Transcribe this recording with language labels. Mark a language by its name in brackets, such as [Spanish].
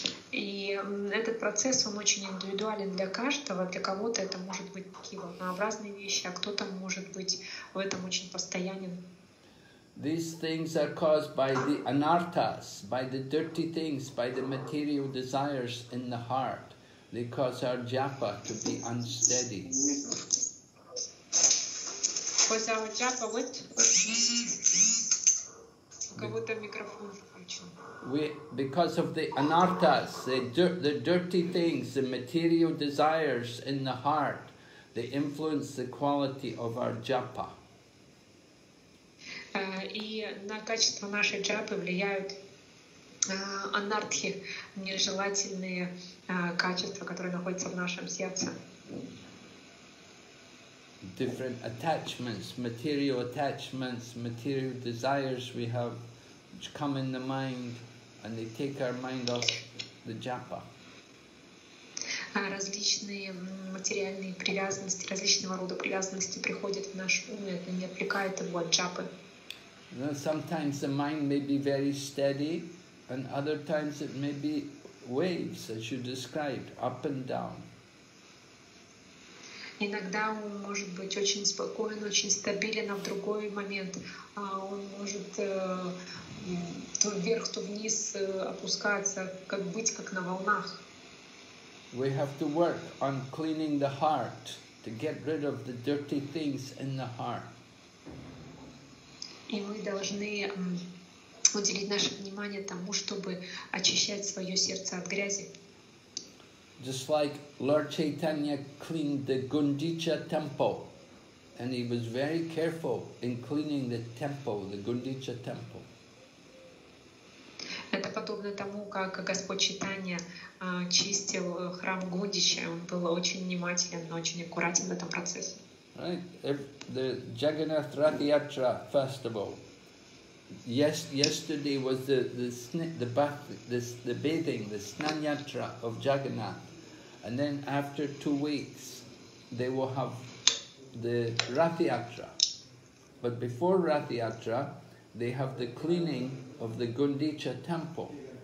[Russian] И этот процесс, он очень индивидуален для каждого. Для кого-то это может быть такие волнообразные вещи, а кто-то может быть в этом очень постоянен. [English] These things are caused by the anarthas, by the dirty things, by the material desires in the heart. They cause our japa to be unsteady. Cause our japa what? [Russian] кого-то микрофон включен. [English] Because of the anarthas, the dirty things, the material desires in the heart, they influence the quality of our japa. [Russian] И на качество нашей джапы влияют анартхи, нежелательные качества, которые находятся в нашем сердце. [English] Different attachments, material attachments, material desires we have which come in the mind and they take our mind off the japa. [Russian] Различные материальные привязанности, различного рода привязанности приходят в наш ум, и они отвлекают его от джапы. [English] Sometimes the mind may be very steady, and other times it may be waves, as you described, up and down. [Russian] Иногда он может быть очень спокоен, очень стабилен, а в другой момент он может то вверх, то вниз опускаться, как быть, как на волнах. [English] We have to work on cleaning the heart, to get rid of the dirty things in the heart. [Russian] И мы должны уделить наше внимание тому, чтобы очищать свое сердце от грязи. [English] Just like Lord Chaitanya cleaned the Gundicha temple, and he was very careful in cleaning the temple, the Gundicha temple. [Russian] Это подобно тому, как Господь Чайтанья чистил храм Гундича. Он был очень внимателен, очень аккуратен в этом процессе. [English] Right, the Jagannath Rath Yatra festival. Yesterday was the bathing, the Snan Yatra of Jagannath, and then after 2 weeks, they will have the Rath Yatra. But before Rath Yatra, they have the cleaning of the Gundicha temple.